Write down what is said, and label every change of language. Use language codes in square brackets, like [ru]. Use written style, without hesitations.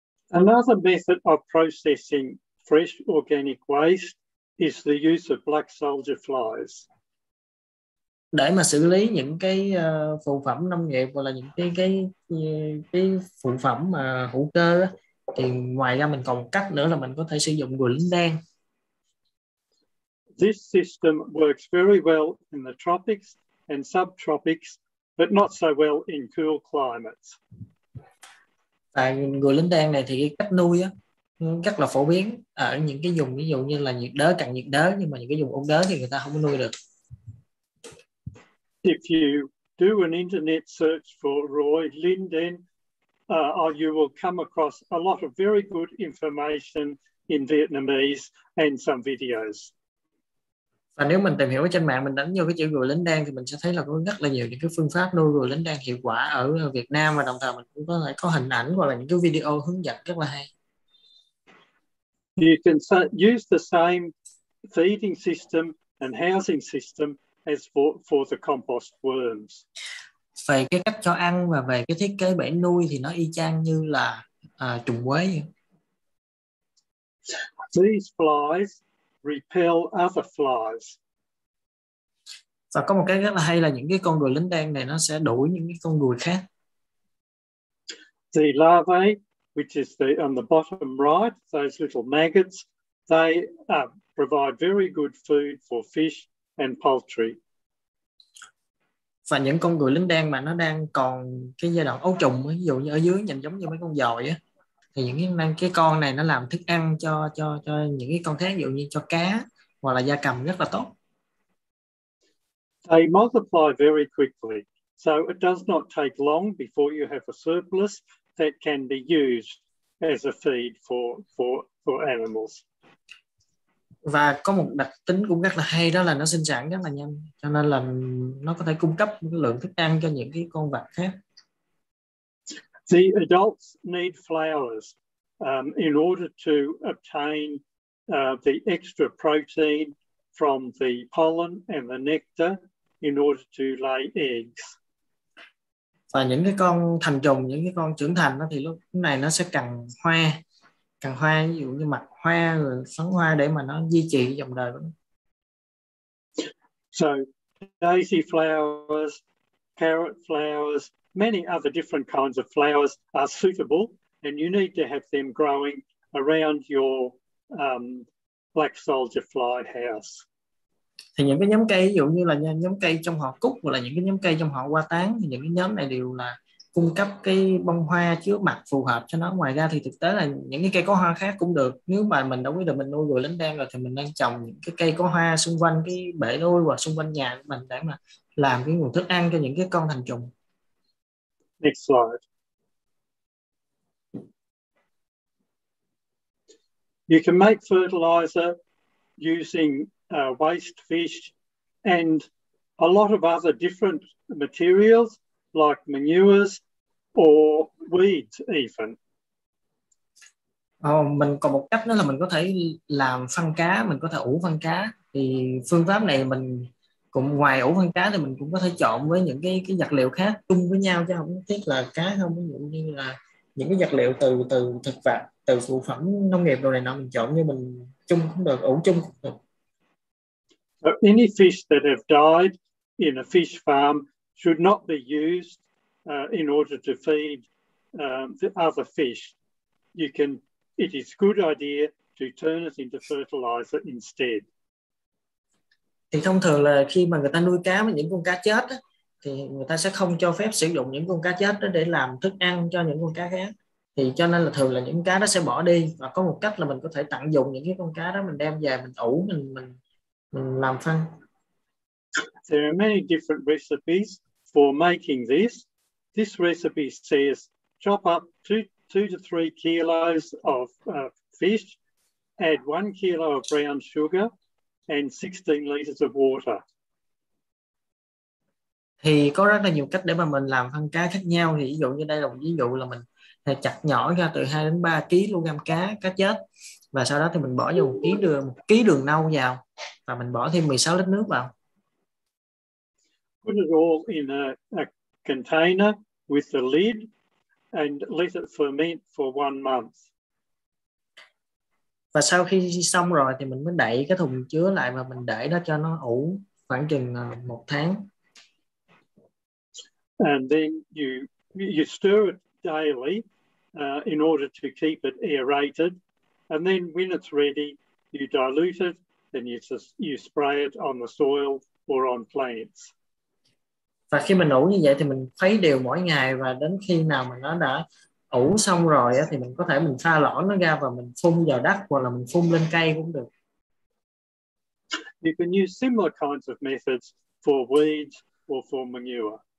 [en] Another method of processing fresh organic waste is the use of black soldier flies. [vi] Để mà xử lý những cái phụ phẩm nông nghiệp hoặc là những cái phụ phẩm mà hữu cơ đó, thì ngoài ra mình còn một cách nữa là mình có thể sử dụng ruồi lính đen. [en] This system works very well in the tropics and subtropics, but not so well in cool climates. [vi] Tại ruồi lính đen này thì cái cách nuôi á rất là phổ biến ở những cái vùng, ví dụ như là nhiệt đới, cận nhiệt đới, nhưng mà những cái vùng ôn đới thì người ta không nuôi được. [en] If you do an internet search for Roy Linden, you will come across a lot of very good information in Vietnamese and some videos. [vi] Và nếu mình tìm hiểu trên mạng, mình đánh vô cái chữ ruồi lính đen thì mình sẽ thấy là có rất là nhiều những cái phương pháp nuôi ruồi lính đen hiệu quả ở Việt Nam, và đồng thời mình cũng có thể có hình ảnh hoặc là những cái video hướng dẫn rất là hay. [en] You can use the same feeding system and housing system as for the compost worms. [vi] Về cái cách cho ăn và về cái thiết kế bể nuôi thì nó y chang như là trùng quế. [en] These flies repel other flies. [vi] Và có một cái rất là hay là những cái con ruồi lính đen này nó sẽ đuổi những cái con ruồi khác. [en] The larvae, which is the on the bottom right, those little maggots, they provide very good food for fish and poultry. [vi] Và những con ruồi lính đen mà nó đang còn cái giai đoạn ấu trùng, ví dụ như ở dưới nhìn giống như mấy con dòi á, thì những cái con này nó làm thức ăn cho những cái con khác, ví dụ như cho cá hoặc là gia cầm rất là tốt. [en] They multiply very quickly, so it does not take long before you have a surplus that can be used as a feed for animals. [vi] Và có một đặc tính cũng rất là hay, đó là nó sinh sản rất là nhanh, cho nên là nó có thể cung cấp một lượng thức ăn cho những cái con vật khác. [en] The adults need flowers in order to obtain the extra protein from the pollen and the nectar in order to lay eggs. [vi] Và những cái con thành trùng, những cái con trưởng thành đó, thì lúc này nó sẽ cần hoa, ví dụ như mặt hoa rồi phấn hoa để mà nó duy trì dòng đời của nó. [en] So daisy flowers, carrot flowers, many other different kinds of flowers are suitable, and you need to have them growing around your black soldier fly house. [vi] Thì những cái nhóm cây, ví dụ như là nhóm cây trong họ cúc hoặc là những cái nhóm cây trong họ hoa tán, thì những cái nhóm này đều là cung cấp cái bông hoa chứa mặt phù hợp cho nó. Ngoài ra thì thực tế là những cái cây có hoa khác cũng được. Nếu mà mình đã quyết định mình nuôi ruồi lính đen rồi thì mình đang trồng những cái cây có hoa xung quanh cái bể nuôi hoặc xung quanh nhà mình để mà làm cái nguồn thức ăn cho những cái con thành trùng. [en] Next slide. You can make fertilizer using waste fish and a lot of other different materials like manures or weeds even. [vi] Mình còn một cách nữa là mình có thể làm phân cá, mình có thể ủ phân cá. Thì phương pháp này mình cũng ngoài ủ phân cá thì mình cũng có thể trộn với những cái vật liệu khác chung với nhau, chứ không nhất thiết là cá không, ví dụ như là những cái vật liệu từ thực vật, từ phụ phẩm nông nghiệp đồ này nọ mình trộn như mình chung cũng được, ủ chung cũng được. [en] So any fish that have died in a fish farm should not be used in order to feed the other fish. It is good idea to turn it into fertilizer instead. [vi] Thì thông thường là khi mà người ta nuôi cá với những con cá chết á, thì người ta sẽ không cho phép sử dụng những con cá chết đó để làm thức ăn cho những con cá khác. Thì cho nên là thường là những cá đó sẽ bỏ đi, và có một cách là mình có thể tận dụng những cái con cá đó, mình đem về mình ủ, mình làm phân. [en] There are many different recipes for making this. This recipe says chop up 2 to 3 kilos of fish, add 1 kilo of brown sugar and 16 liters of water. [vi] Thì có rất là nhiều cách để mà mình làm phân cá khác nhau. Thì ví dụ như đây là một ví dụ là mình chặt nhỏ ra từ 2 đến 3 kg cá chết, và sau đó thì mình bỏ vô 1 ký đường nâu vào, và mình bỏ thêm 16 lít nước vào. [en] Put it all in a container with the lid and let it ferment for 1 month. [vi] Và sau khi xong rồi thì mình mới đậy cái thùng chứa lại và mình để nó cho nó ủ khoảng chừng 1 tháng. [en] And then you stir it daily in order to keep it aerated. And then when it's ready, you dilute it and you spray it on the soil or on plants. [vi] Và khi mình ủ như vậy thì mình khuấy đều mỗi ngày, và đến khi nào mà nó đã ủ xong rồi thì mình có thể mình pha lỏng nó ra và mình phun vào đất hoặc là mình phun lên cây cũng được. [en] You can use similar kinds of methods for weeds or for manure.